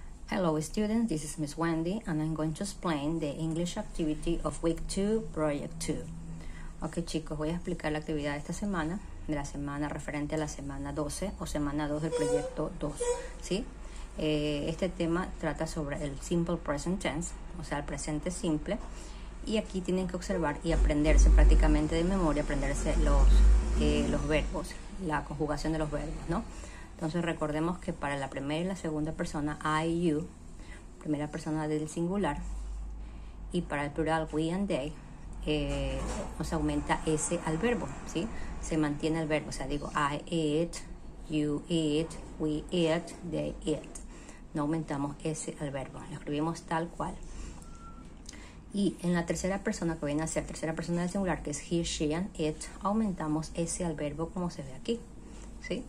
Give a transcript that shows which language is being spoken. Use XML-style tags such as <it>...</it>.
<en>Hello students, this is Miss Wendy and I'm going to explain the English activity of week 2, project 2.</en> <es>Ok chicos, voy a explicar la actividad de esta semana, de la semana referente a la semana 12 o semana 2 del proyecto 2, ¿sí? Este tema trata sobre el simple present tense, o sea el presente simple, y aquí tienen que observar y aprenderse prácticamente de memoria, aprenderse los verbos, la conjugación de los verbos, ¿no? Entonces recordemos que para la primera y la segunda persona, I, you, primera persona del singular, y para el plural, we and they, nos aumenta ese al verbo, ¿sí? Se mantiene el verbo, o sea, digo,</es> <en>I eat, you eat, we eat, they eat.</en> <es>No aumentamos ese al verbo, lo escribimos tal cual. Y en la tercera persona, que viene a ser tercera persona del singular, que es he, she and it, aumentamos ese al verbo como se ve aquí. ¿Sí?</es>